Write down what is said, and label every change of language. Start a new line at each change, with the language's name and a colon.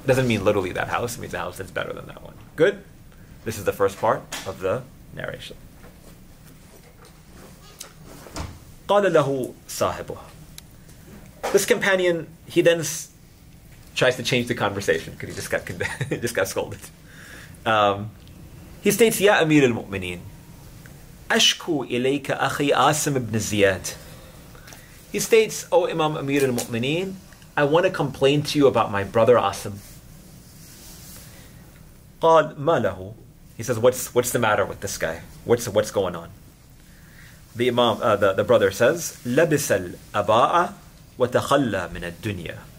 English: It doesn't mean literally that house. It means a house that's better than that one. Good? This is the first part of the narration.
Arabic: قال له صاحبه.
English: This companion, he then tries to change the conversation because he just got scolded. He states,
Arabic: يَا أَمِيرَ الْمُؤْمِنِينَ أَشْكُوا إِلَيْكَ أَخِي عَاصِمْ بْنِ زِيَادٍ.
English: He states, O Imam Amir al-Mu'mineen, I want to complain to you about my brother Asim.
Arabic: قال ما له.
English: He says, what's the matter with this guy? What's going on? The Imam, the brother says,
Arabic: لَبِسَ الْأَبَاءَ وَتَخَلَّى مِنَ الدُّنْيَا.